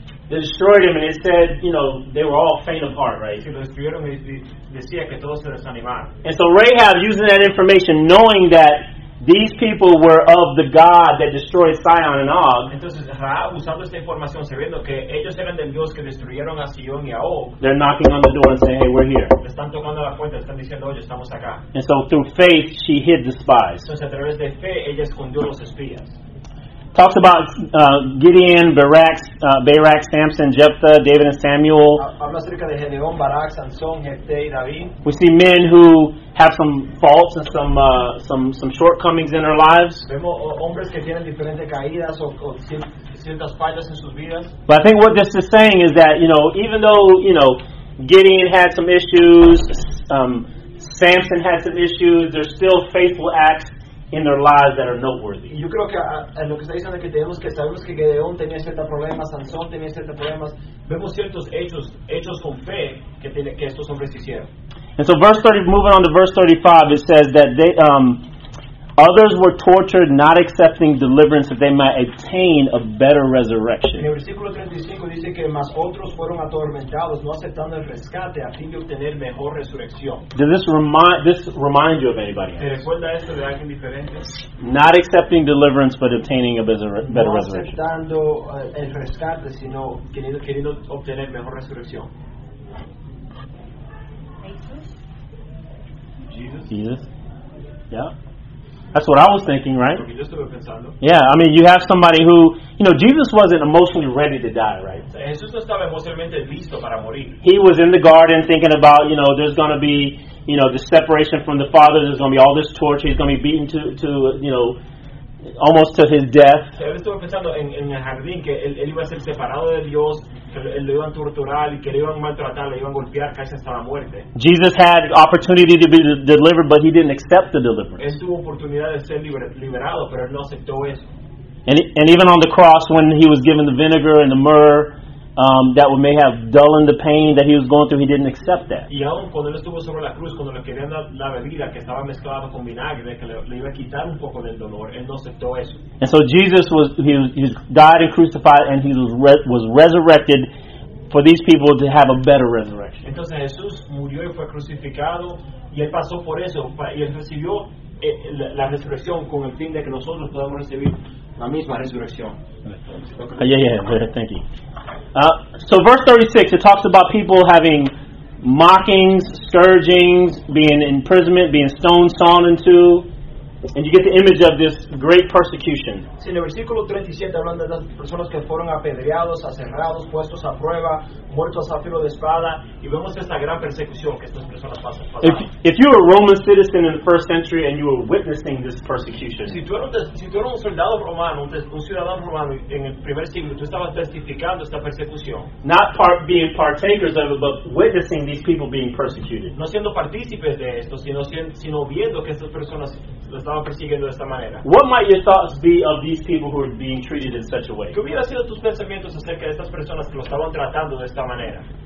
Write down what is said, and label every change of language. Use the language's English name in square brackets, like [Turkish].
[English] They destroyed him, and it said, you know, they were all faint of heart, right? And so Rahab, using that information, knowing that these people were of the God that destroyed Sion and Og. [Spanish] Entonces, Rahab, usando esta información, sabiendo que ellos eran del Dios que destruyeron a Sion y a Og. [English] They're knocking on the door and saying, hey, we're here. [Spanish] Están tocando la puerta, están diciendo, oye, estamos acá. [English] And so through faith, she hid the spies. [Spanish] Entonces, a través de fe, ella escondió los espías. [English] Talks about Gideon, Barak, Samson, Jephthah, David, and Samuel. [Spanish] Habla acerca de Gedeón, Barak, Sansón, Jephthah, y David. [English] We see men who have some faults and some shortcomings in their lives. [Spanish] Vemos hombres que tienen diferentes caídas o ciertas fallas en sus vidas. [English] But I think what this is saying is that, you know, even though, you know, Gideon had some issues, Samson had some issues, there's still faithful acts in their lives that are noteworthy. [Spanish] Yo creo que en lo que está diciendo que tenemos que sabemos que Gedeón tenía ciertos problemas, Sansón tenía ciertos problemas. Vemos ciertos hechos con fe que estos hombres hicieron. [English] And so verse 30, moving on to verse 35, it says that they Others were tortured, not accepting deliverance if they might obtain a better resurrection. [Spanish] En el versículo 35 dice que más otros fueron atormentados, no aceptando el rescate a fin de obtener mejor resurrección. [English] Does this remind you of anybody else? [Spanish] ¿Te recuerda esto de alguien diferente? [English] Not accepting deliverance, but obtaining a better resurrection. [Spanish] No aceptando el rescate, sino queriendo obtener mejor resurrección. [English] Jesus. Yeah. That's what I was thinking, right? Yeah, I mean, you have somebody who, you know, Jesus wasn't emotionally ready to die, right? [Spanish] Jesús no estaba emocionalmente listo para morir. [English] He was in the garden thinking about, you know, there's going to be, you know, the separation from the Father, there's going to be all this torture, he's going to be beaten to, you know, almost to his death. [Spanish] Él estaba pensando en el jardín, que él iba a ser separado de Dios, que lo iban a torturar y que lo iban a maltratar, lo iban a golpear casi hasta la muerte. [English] Jesus had opportunity to be delivered, but he didn't accept the deliverance. [Spanish] Él tuvo oportunidad de ser liberado, pero él no aceptó eso. [English] And even on the cross, when he was given the vinegar and the myrrh, that may have dulled the pain that he was going through, he didn't accept that. [Spanish] Y aún cuando él estuvo sobre la cruz, cuando le querían dar la bebida que estaba mezclada con vinagre, que le iba a quitar un poco del dolor, él no aceptó eso. [English] And so Jesus was died and crucified, and he was resurrected for these people to have a better resurrection. [Spanish] Entonces Jesús murió y fue crucificado, y él pasó por eso, y él recibió la resurrección con el fin de que nosotros podamos recibir la misma resurrección. [English] Thank you. So verse 36, it talks about people having mockings, scourgings, being imprisonment, being stoned, sawn in two, and you get the image of this great persecution. [Spanish] Sí, en el versículo 37 hablan de las personas que fueron apedreados, aserrados, puestos a prueba, muertos a filo de espada, y vemos esta gran persecución que estas personas pasan. [English] If you were a Roman citizen in the first century and you were witnessing this persecution, [Spanish] si tú eras un soldado romano, un ciudadano romano en el primer siglo, tú estabas testificando esta persecución. [English] Not being partakers of it, but witnessing these people being persecuted. [Spanish] No siendo partícipes de esto, sino viendo que estas personas lo estaban persiguiendo de esta manera. [English] What might your thoughts be of these people who are being treated in such a way? [Spanish] ¿Qué hubiera sido tus pensamientos acerca de estas personas que lo estaban tratando de esta manera?